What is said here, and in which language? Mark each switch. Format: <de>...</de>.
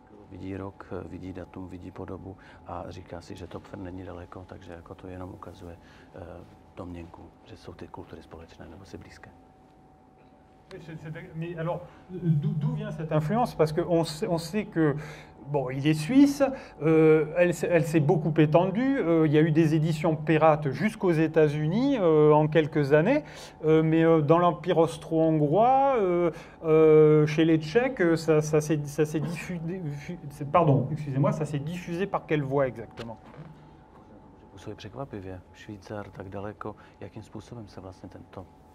<cs>Vidí rok, vidí datum, vidí podobu a říká si, že Topfer není daleko, takže jako to jenom ukazuje domněnku, že jsou ty kultury společné nebo si blízké.</cs> <fr>Mais alors, d'où vient cette influence? Parce qu'on sait que, bon, il est suisse, elle s'est beaucoup étendue, il y a eu des éditions pirates jusqu'aux États-Unis en quelques années, mais dans l'Empire austro-hongrois, chez les Tchèques, ça s'est diffusé par quelle voie exactement? Vous soyez</fr> <cs>překvapivé, Švýcar, tak daleko, jakým způsobem se vlastně tento...</cs>